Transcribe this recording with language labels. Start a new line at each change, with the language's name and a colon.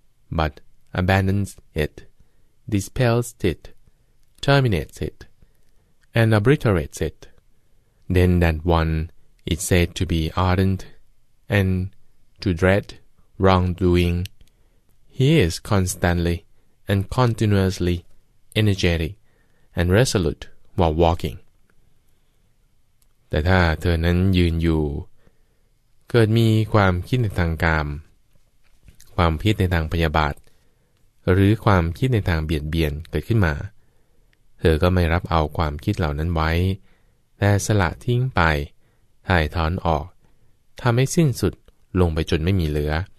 English: but abandons it, dispels it, terminates it, and obliterates it, then that one is said to be ardent and to dread wrongdoing. He is constantly and continuously energetic and resolute while walking.
Thai: แต่ถ้าเธอนั้นยืนอยู่เกิดมีความคิดในทางกามความคิดในทางพยาบาทหรือความคิดในทางเบียดเบียนเกิดขึ้นมาเธอก็ไม่รับเอาความคิดเหล่านั้นไว้แต่สละทิ้งไปถ่ายถอนออกทำให้สิ้นสุดลงไปจนไม่มีเหลือ